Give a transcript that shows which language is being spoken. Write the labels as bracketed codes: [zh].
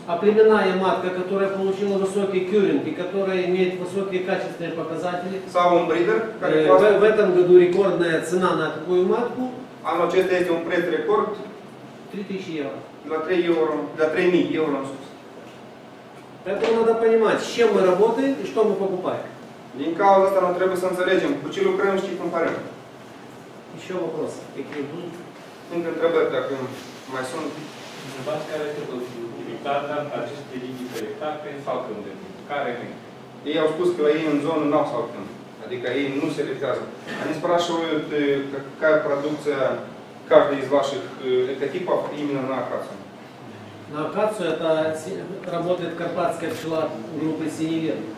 [ru] А племенная матка, которая получила высокий кюринг и которая имеет высокие качественные показатели, Саун Бридер, в этом году рекордная цена на такую матку, [ro] anul acesta este un preț record. 3000 euro. La 3 euro, la 3000 euro în sus. Pentru că trebuie să înțelegem ce mai работаe și ce mai cumpăm. Din cauza asta noi trebuie să înțelegem cu ce lucrăm și ce cumpărăm. Încă o întrebare. Încă întrebări dacă mai sunt. Întrebați care este utilitatea acestei linii pe hectare sau când? Care e? Ei au spus că ei în zonă n-au sau când. Adică ei nu se lichează. [ru] Они спрашивают, какая продукция каждый из ваших экотипов именно на акацию. На акацию это работает карпатская пчела группы синевир.